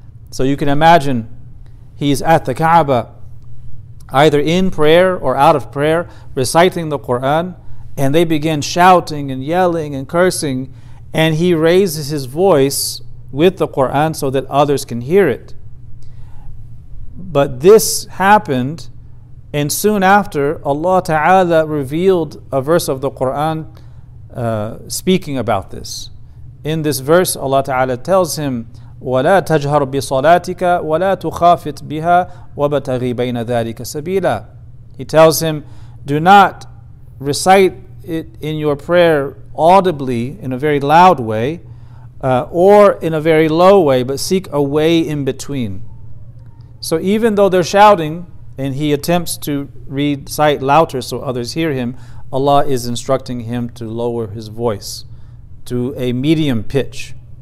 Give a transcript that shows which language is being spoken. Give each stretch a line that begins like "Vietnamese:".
English: So you can imagine, he's at the Kaaba, either in prayer or out of prayer, reciting the Quran, and they begin shouting and yelling and cursing, and he raises his voice with the Quran so that others can hear it. But this happened, and soon after, Allah Ta'ala revealed a verse of the Quran speaking about this. In this verse, Allah Ta'ala tells him,
Arabic: ولا تجهر بصلاتك ولا تخافت بها وبتغي بين ذلك سبيلا.
English: He tells him, do not recite it in your prayer audibly in a very loud way or in a very low way, but seek a way in between. So even though they're shouting and he attempts to recite louder so others hear him, Allah is instructing him to lower his voice to a medium pitch.